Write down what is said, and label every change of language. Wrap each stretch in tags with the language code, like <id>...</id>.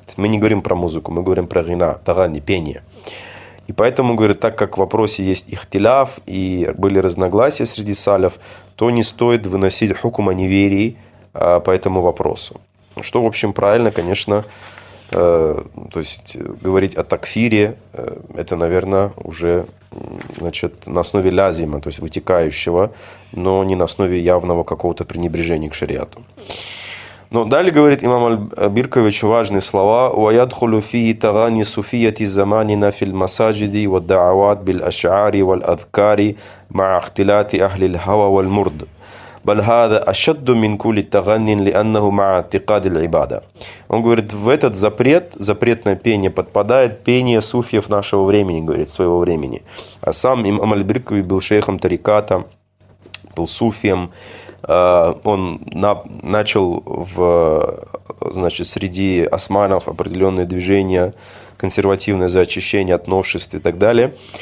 <ru>Мы не говорим про музыку, мы говорим про гина, тагани, пение. И поэтому, говорит, так как в вопросе есть ихтиляф и были разногласия среди салев, то не стоит выносить хукм о неверии по этому вопросу. Что, в общем, правильно, конечно, то есть говорить о такфире, это, наверное, уже... значит, на основе лязима, то есть вытекающего, но не на основе явного какого-то пренебрежения к шариату. Но далее говорит имам аль-Биркович важные слова:</ru> <ar>وَيَدْخُلُ فِيهِ تَغَانِي سُفِيَّةِ الزَّمَانِنَا فِي الْمَسَاجِدِ وَالدَّعَوَاتِ بِالْأَشْعَارِ وَالْأَذْكَارِ مَعَ اخْتِلَاتِ أَهْلِ الْهَوَى وَالْمُرْدِ بَلْ هَذَا أَشَدُّ مِنْ كُلِّ تَغَانٍ لِأَنَّهُ مَعَ اعْتِقَادِ الْعِبَادَةِ.</ar> <ru>Он говорит, в этот запрет, запретное пение, подпадает пение суфьев нашего времени, говорит, своего времени. А сам имам аль-Биркави был шейхом тариката, был суфием. Он начал в, значит, среди османов определенные движения, консервативное за очищение от новшеств и так далее.</ru>